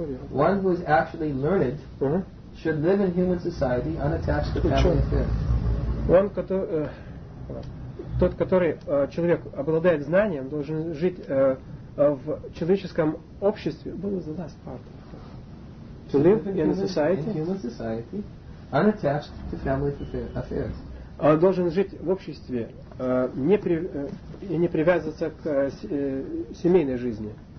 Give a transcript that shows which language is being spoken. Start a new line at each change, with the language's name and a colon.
English: One who is actually learned should live in human society unattached to family affairs.
Russian: Он, тот, который человек обладает знанием, должен жить в человеческом обществе.
English: What was the last part? To live in a society. In human society, unattached to family affairs.
Russian: Он должен жить в обществе, не привязываться к семейной жизни.